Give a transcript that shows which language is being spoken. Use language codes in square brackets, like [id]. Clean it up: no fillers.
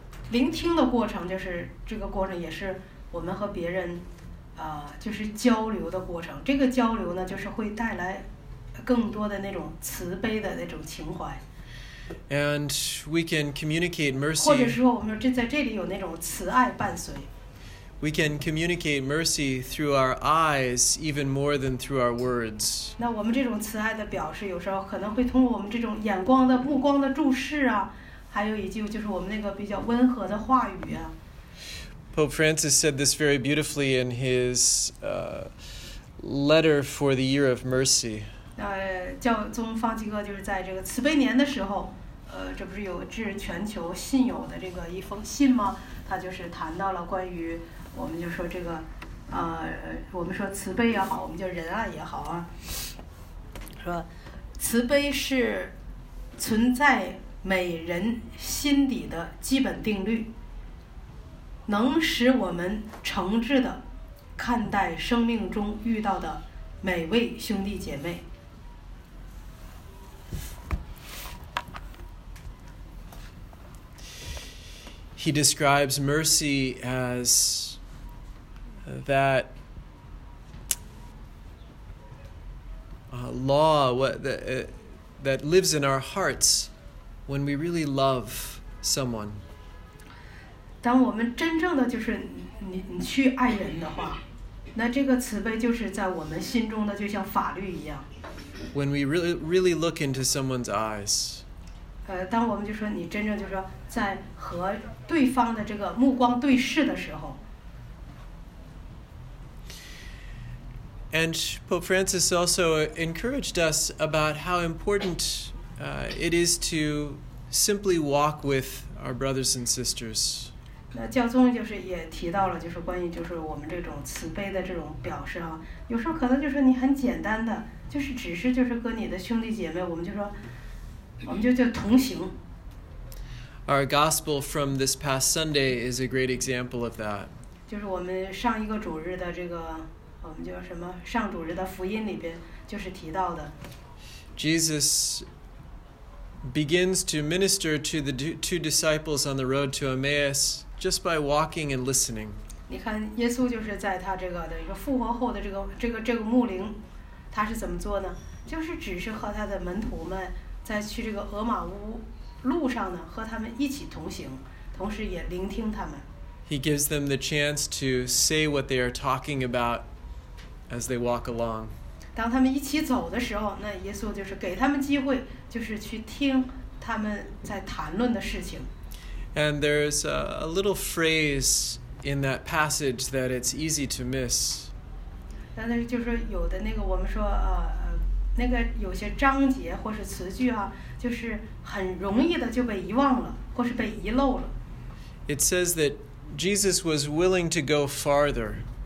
[zh] 聆听的过程就是这个过程，也是我们和别人就是交流的过程。这个交流呢，就是会带来更多的那种慈悲的那种情怀。 [en] And we can communicate mercy. [zh] 或者说我们在这里有那种慈爱伴随。 [en] We can communicate mercy through our eyes even more than through our words. [zh] 那我们这种慈爱的表示，有时候可能会通过我们这种眼光的目光的注视啊，还有以及就是我们那个比较温和的话语啊。 [en] Pope Francis said this very beautifully in his letter for the Year of Mercy. [zh] 教宗方济各就是在这个慈悲年的时候，这不是有致全球信友的这个一封信吗？他就是谈到了关于我们就说这个，我们说慈悲也好，我们叫仁爱也好啊，说慈悲是存在每人心底的基本定律。能使我们诚挚地看待生命中遇到的每位兄弟姐妹。 [en] he describes mercy as that law that lives in our hearts when we really love someone. [zh] 当我们真正的就是你去爱人的话，那这个慈悲就是在我们心中的，就像法律一样。 [en] When we really, really look into someone's eyes. [zh] 当我们就说你真正就是在和对方的这个目光对视的时候。 [en] And Pope Francis also encouraged us about how important it is to simply walk with our brothers and sisters. [zh] 那教宗就是也提到了，就是关于就是我们这种慈悲的这种表示啊，有时候可能就是你很简单的，就是只是就是跟你的兄弟姐妹，我们就说，我们就叫同行。 [en] Our gospel from this past Sunday is a great example of that. [zh] 就是我们上一个主日的这个。我们叫什么？上主日的福音里边就是提到的。 [en] Jesus begins to minister to the two disciples on the road to Emmaus just by walking and listening. [zh] 你看，耶稣就是在他这个的一个复活后的这个牧灵，他是怎么做呢？就是只是和他的门徒们在去这个俄马乌路上呢，和他们一起同行，同时也聆听他们。 [en] He gives them the chance to say what they are talking about. As they walk along, [zh] 当他们一起走的时候，那耶稣就是给他们机会，就是去听他们在谈论的事情。 [en] And there's a little phrase in that passage that it's easy to miss. [zh] 但是就是有的那个我们说那个有些章节或是词句啊，就是很容易的就被遗忘了，或是被遗漏了。 [en] It says that Jesus was willing to go farther.